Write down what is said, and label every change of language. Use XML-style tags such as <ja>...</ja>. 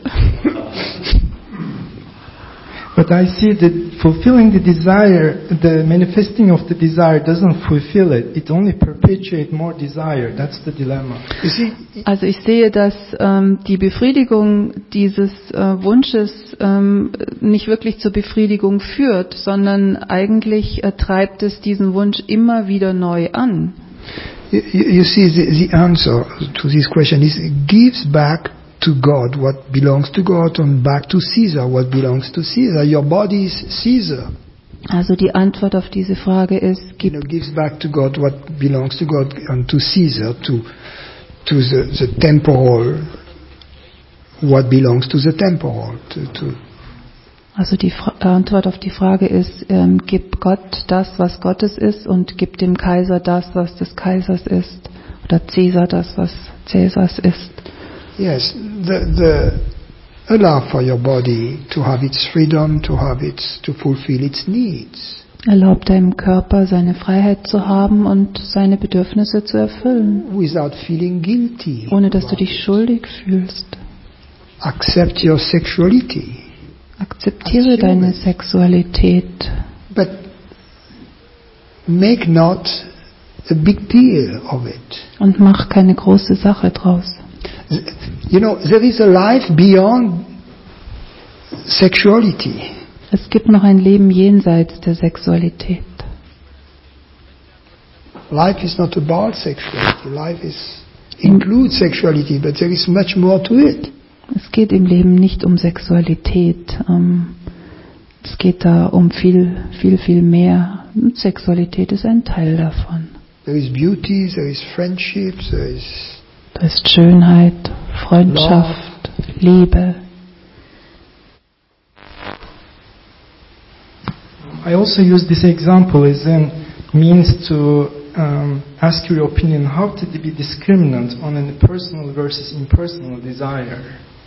<en>But I see that fulfilling the desire, the manifesting of the desire doesn't fulfill it. It only perpetuates more desire. That's the dilemma.</en> <de>Also ich sehe, dass die Befriedigung dieses Wunsches nicht wirklich zur Befriedigung führt, sondern eigentlich treibt es diesen Wunsch immer wieder neu an.</de> <en>You see, the answer to this question is gives back to God what belongs to God, and back to Caesar what belongs to Caesar. Your body is Caesar.</en> <de>Also die Antwort auf diese Frage ist,</de> <en>gives back to God what belongs to God and to Caesar, to the temporal, what belongs to the temporal.</en> <de>Also die Antwort auf die Frage ist, gib Gott das, was Gottes ist, und gib dem Kaiser das, was des Kaisers ist, oder Caesar das, was Caesars ist.</de> <en>Yes, the allow for your body to have its freedom, to have its, to fulfill its needs.</en> <de>Erlaub deinem Körper, seine Freiheit zu haben und seine Bedürfnisse zu erfüllen.</de> <en>Without feeling guilty.</en> <de>Ohne dass du dich schuldig fühlst.</de> <en>Accept your sexuality.</en> <de>Akzeptiere deine Sexualität.</de> <en>But make not a big deal of it.</en> <de>Und mach keine große Sache draus.</de> <en>You know, there is a life beyond sexuality.</en> <de>Es gibt noch ein Leben jenseits der Sexualität.</de> <en>Life is not about sexuality. Life is includes sexuality, but there is much more to it.</en> <de>Es geht im Leben nicht um Sexualität. Es geht da um viel, viel, viel mehr. Und Sexualität ist ein Teil davon.</de> <en>There is beauty, there is friendship, there is.</en> <de>Da ist Schönheit, Freundschaft,</de> <en>Love.</en> <de>Liebe.</de> <en>I also use this example as a means to ask your opinion, how to be discriminant on a personal versus impersonal desire.</en>